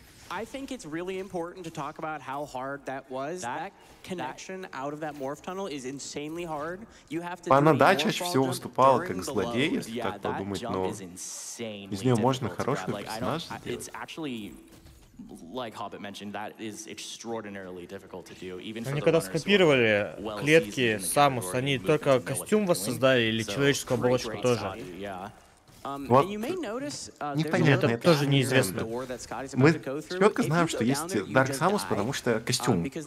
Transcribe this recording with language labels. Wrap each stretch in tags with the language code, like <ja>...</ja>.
<en>I think it's really important to talk about how hard that was. That connection out of that morph tunnel is insanely hard. You have to.</en> <ru>Она да, чаще всего выступала как злодей, если так подумать, но из нее можно хороший персонаж сделать.</ru> <en>Like Hobbit mentioned, that is extraordinarily difficult to do. Even</en> <ru>они когда скопировали клетки Самус, они только костюм воссоздали или человеческую оболочку тоже? Вот, непонятно, это тоже неизвестно. Мы четко знаем, что есть Дарк Самус, потому что костюм.</ru>